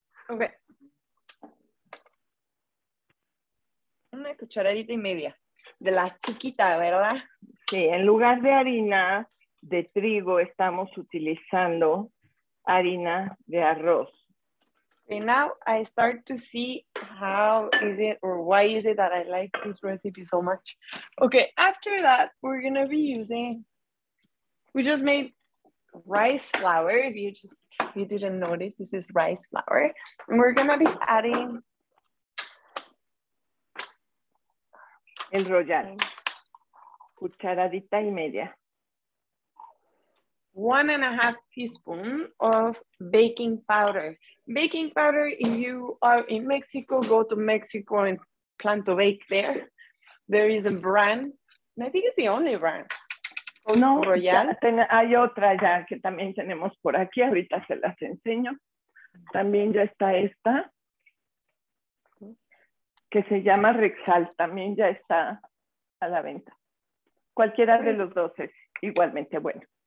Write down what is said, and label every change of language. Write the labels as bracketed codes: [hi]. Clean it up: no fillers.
[es] Ok. Una cucharadita y media. De la chiquita, ¿verdad? Sí, en lugar de harina de trigo, estamos utilizando harina de arroz. [en] Okay, now I start to see how is it or why is it that I like this recipe so much. Okay, after that, we're going to be using, we just made rice flour. If you just, if you didn't notice, this is rice flour. And we're going to be adding [es] el royal, cucharadita y media. [en] 1.5 teaspoon of baking powder. Baking powder, if you are in Mexico, go to Mexico and plan to bake there. There is a brand, and I think it's the only brand. [es] No, Royal. Hay otra ya que también tenemos por aquí, ahorita se las enseño. También ya está esta, que se llama Rexal, también ya está a la venta. Cualquiera de los dos es igualmente bueno.